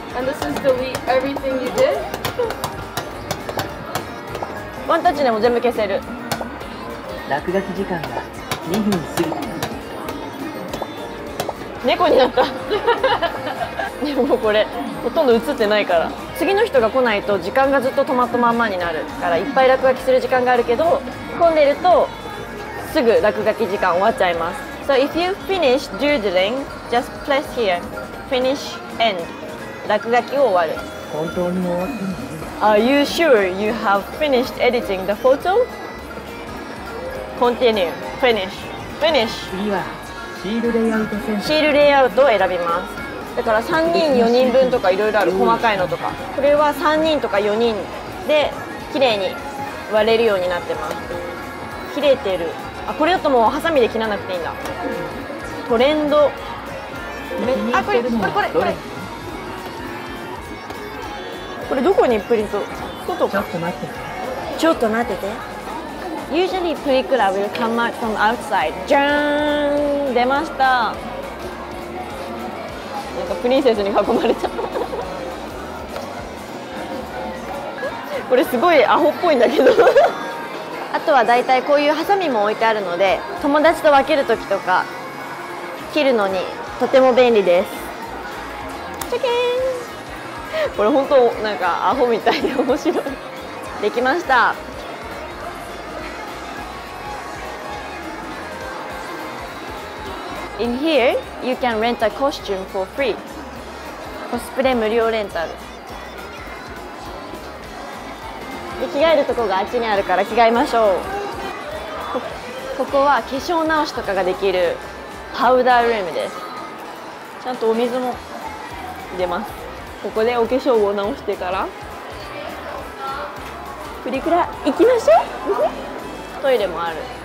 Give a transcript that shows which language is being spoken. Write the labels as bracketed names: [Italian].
[English] And this is delete everything you did. [Japanese] ワンタッチでも全部消せる。落書き時間が2分過ぎて猫になった。でもこれほとんど映ってないから、次の人が来ないと時間がずっと止まったまんまになるから、いっぱい落書きする時間があるけど、混んでるとすぐ落書き時間終わっちゃいます。 [English] So if you finish doodling, just press here. Finish end. [Japanese] 落書きを終わる。本当に終わってます。 [English] Are you sure you have finished editing the photo? Continue. Finish. Finish. [Japanese] 次はシールレイアウト選手。シールレイアウトを選びます。だから3人4人分とかいろいろある、細かいのとか。これは3人とか4人で綺麗に割れるようになってます。切れてる。あ、これだともうハサミで切らなくていいんだ。トレンド、あ、これこれどこにプリント、外か。ちょっと待ってて、ちょっと待ってて。 [English] Usually プリクラ will come out from outside. [Japanese] じゃーん、出ました。なんかプリンセスに囲まれちゃった。これすごいアホっぽいんだけど。あとはだいたいこういうハサミも置いてあるので、友達と分けるときとか切るのにとても便利です。チャキーン。これ本当なんかアホみたいで面白い。できました。 [English] In here, you can rent a costume for free. [Japanese] コスプレ無料レンタル。で、着替えるとこがあっちにあるから着替えましょう。ここは化粧直しとかができるパウダールームです。ちゃんとお水も出ます。ここでお化粧を直してから、プリクラ行きましょう。トイレもある。